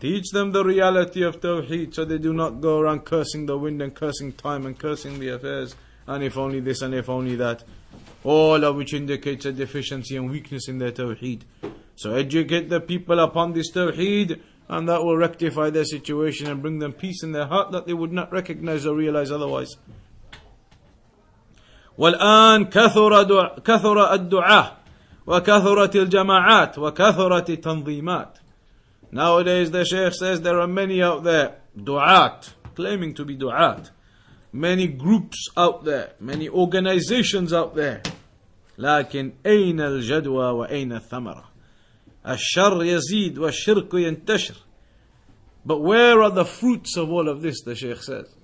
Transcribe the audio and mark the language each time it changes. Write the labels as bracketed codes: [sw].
[en] Teach them the reality of tawheed, so they do not go around cursing the wind and cursing time and cursing the affairs, and if only this and if only that, all of which indicates a deficiency and weakness in their tawheed. So educate the people upon this tawheed, and that will rectify their situation and bring them peace in their heart that they would not recognize or realize otherwise. [ar] والآن كثر الدعاء وكثرت الجماعات وكثرت التنظيمات. [en] Nowadays, the Shaykh says, there are many out there, du'at, claiming to be du'at, many groups out there, many organizations out there. [ar] لكن أين الجدوى وأين الثمرة؟ الشر يزيد والشرك ينتشر. [en] But where are the fruits of all of this, the Shaykh says?